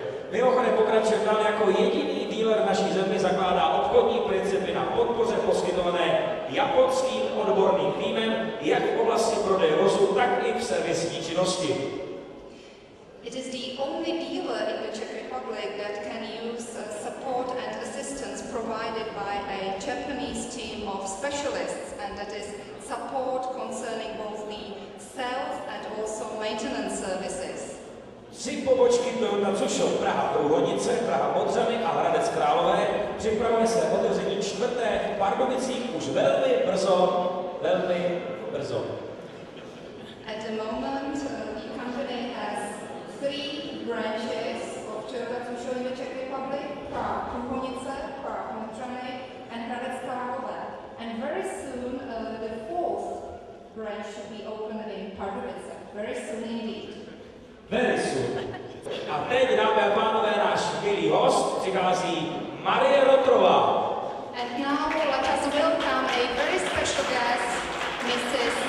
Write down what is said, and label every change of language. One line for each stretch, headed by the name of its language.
Czech: Mimochodem pokračujeme dál, jako jediný dealer naší země zakládá obchodní principy na podpoře poskytované japonským odborným týmem jak v oblasti prodeje vozů, tak i v servisní činnosti.
English: It is the only dealer in the Czech Republic that can use support and assistance provided by a Japanese team of specialists, and that is support concerning both the sales and also maintenance services.
Czech: Tři pobočky Toyota Tsusho, Praha Průhonice, Praha Modřany a Hradec Králové, připravuje se otevření čtvrté v Pardubicích už velmi brzo, velmi brzo.
English: At the moment, the company has three branches of Toyota Tsusho in the Czech Republic, Praha Průhonice, Praha Modřany and Hradec Králové. And very soon, the fourth branch should be opened in Pardubice, very soon indeed. Very soon.
Czech: A teď, dámy a pánové, náš milý host přichází Marie Rotrova.
English: And now let us welcome a very special guest, Mrs.